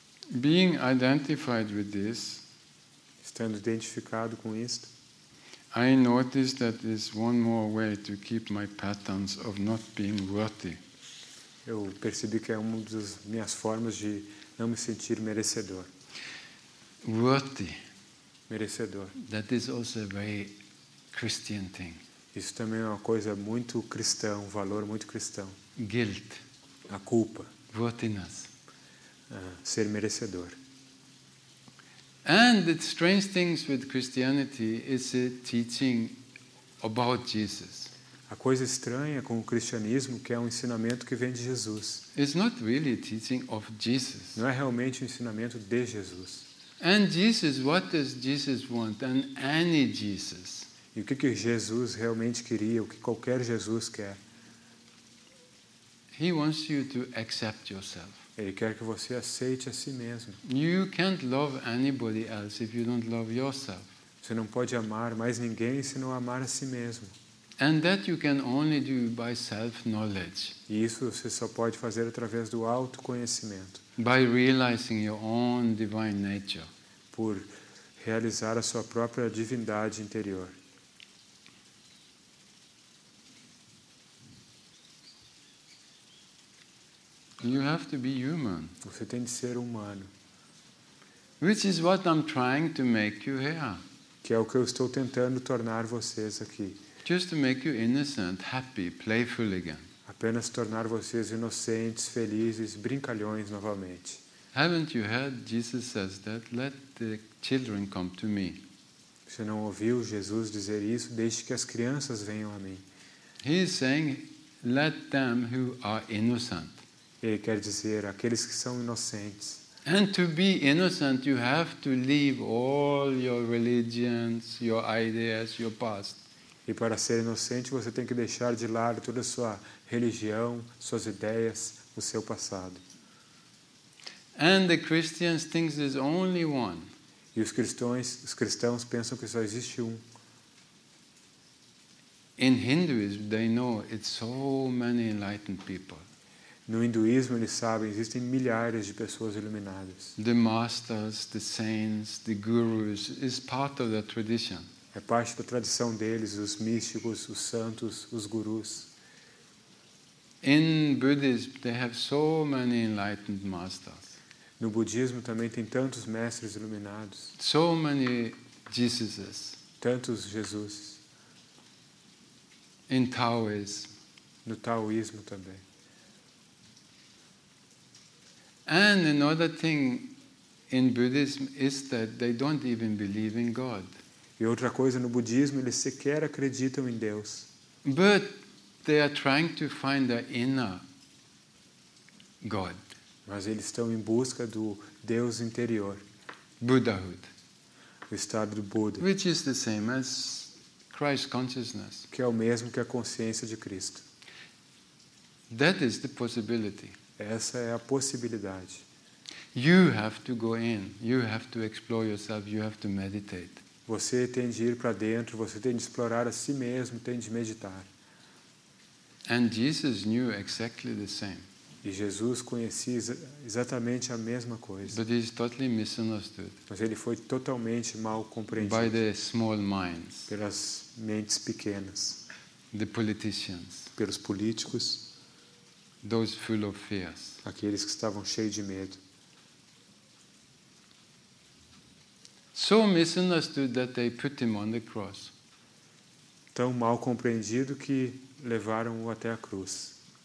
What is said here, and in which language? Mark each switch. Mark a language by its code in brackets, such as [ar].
[en] Being identified with this, [pt] estando identificado com isto, [en] I notice that there's one more way to keep my patterns of not being worthy. [pt] Eu percebi que é uma das minhas formas de não me sentir merecedor. [en] Worthy, [pt] merecedor. [en] That is also a very Christian thing. [pt] Isso também é uma coisa muito cristã, um valor muito cristão. [en] Guilt, [pt] a culpa. [en] Worthiness. [pt] Ser merecedor. [en] And the strange things with Christianity is a teaching about Jesus. [pt] A coisa estranha com o cristianismo que é um ensinamento que vem de Jesus. [en] It's not really a teaching of Jesus. [pt] Não é realmente um ensinamento de Jesus. [en] And Jesus, what does Jesus want? And any Jesus? [pt] E o que Jesus realmente queria? O que qualquer Jesus quer? [en] He wants you to accept yourself. [pt] Ele quer que você aceite a si mesmo. [en] You can't love anybody else if you don't love yourself. [pt] Você não pode amar mais ninguém se não amar a si mesmo. [en] And that you can only do by self-knowledge. [pt] E isso você só pode fazer através do autoconhecimento. [en] By realizing your own divine nature. [pt] Por realizar a sua própria divindade interior. [en] You have to be human. [pt] Você tem de ser humano. [en] Which is what I'm trying to make you here. [pt] Que é o que eu estou tentando tornar vocês aqui. [en] Just to make you innocent, happy, playful again. [pt] Apenas tornar vocês inocentes, felizes, brincalhões novamente. [en] Haven't you heard Jesus says that? Let the children come to me. [pt] Você não ouviu Jesus dizer isso? Deixe que as crianças venham a mim. [en] He is saying, let them who are innocent. [pt] Ele quer dizer aqueles que são inocentes. [en] And to be innocent, you have to leave all your religions, your ideas, your past. [pt] E para ser inocente, você tem que deixar de lado toda a sua religião, suas ideias, o seu passado. [en] And the Christians think there's only one. [pt] E os cristãos pensam que só existe um. [en] In Hinduism, they know it's so many enlightened people. [pt] No hinduísmo, eles sabem, existem milhares de pessoas iluminadas. [en] The masters, the saints, the gurus, is part of the tradition. [pt] É É parte da tradição deles, os místicos, os santos, os gurus. [en] In Buddhism, they have so many enlightened masters. [pt] No budismo também tem tantos mestres iluminados. [en] So many Jesuses. [pt] Tantos Jesus. [en] In Taoism. [pt] No taoísmo também. [en] And another thing in Buddhism is that they don't even believe in God. [pt] E outra coisa no budismo, eles sequer acreditam em Deus. [en] But they are trying to find the inner God. [pt] Mas eles estão em busca do Deus interior. [en] Buddhahood. [pt] O estado do Buda. [en] Which is the same as Christ consciousness. [pt] Que é o mesmo que a consciência de Cristo. [en] That is the possibility. [pt] Essa é a possibilidade. [en] You have to go in. You have to explore yourself. You have to meditate. [pt] Você tem de ir para dentro, você tem de explorar a si mesmo, tem de meditar. [en] And Jesus knew exactly the same. [pt] E Jesus conhecia exatamente a mesma coisa. [en] But he's totally misunderstood. [pt] Mas ele foi totalmente mal compreendido. [en] By the small minds. [pt] Pelas mentes pequenas. [en] The politicians. [pt] Pelos políticos. [en] Those full of fears. [pt] Aqueles que estavam cheios de medo. [en] So misunderstood that they put him on the cross. [pt] Tão mal compreendido que levaram-o até a cruz.